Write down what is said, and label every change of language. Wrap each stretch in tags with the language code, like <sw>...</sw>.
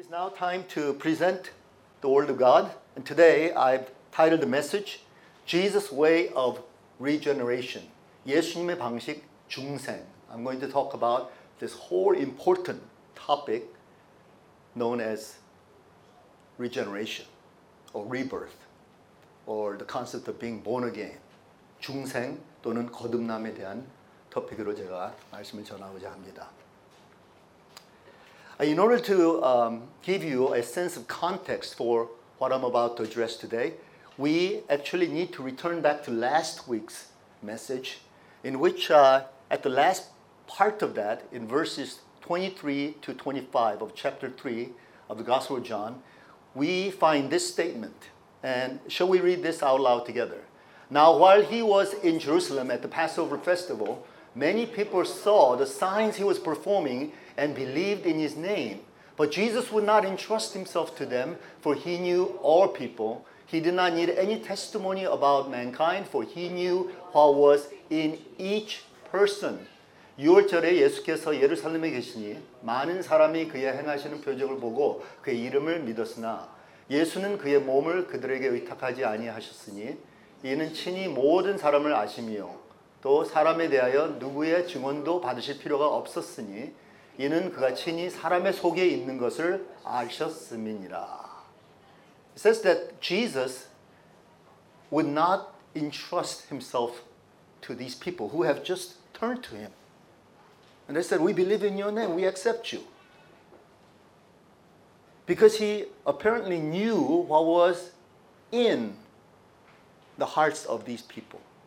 <en>now time to present the Word of God. And today I've titled the message, Jesus' Way of Regeneration.</en> <ko>예수님의 방식, 중생.</ko> <en>I'm going to talk about this whole important topic known as regeneration or rebirth or the concept of being born again.</en> <ko>중생 또는 거듭남에 대한 토픽으로 제가 말씀을 전하고자 합니다.</ko> <en>In order to give you a sense of context for what I'm about to address today, we actually need to return back to last week's message, in which at the last part of that, in verses 23 to 25 of chapter 3 of the Gospel of John, we find this statement. And shall we read this out loud together? Now, while he was in Jerusalem at the Passover festival, many people saw the signs he was performing and believed in his name. But Jesus would not entrust himself to them, for he knew all people. He did not need any testimony about mankind, for he knew what was in each person.</en> <ko>유월절에 예수께서 예루살렘에 계시니 많은 사람이 그의 행하시는 표적을 보고 그의 이름을 믿었으나 예수는 그의 몸을 그들에게 의탁하지 아니하셨으니 이는 친히 모든 사람을 아심이요 또 사람에 대하여 누구의 증언도 받으실 필요가 없었으니 이는 그가 친히 사람의 속에 있는 것을 아셨음이니라.</ko> <en>It says that Jesus would not entrust himself to these people who have just turned to him. And they said, we believe in your name, we accept you. Because he apparently knew what was in the hearts of these people.</en>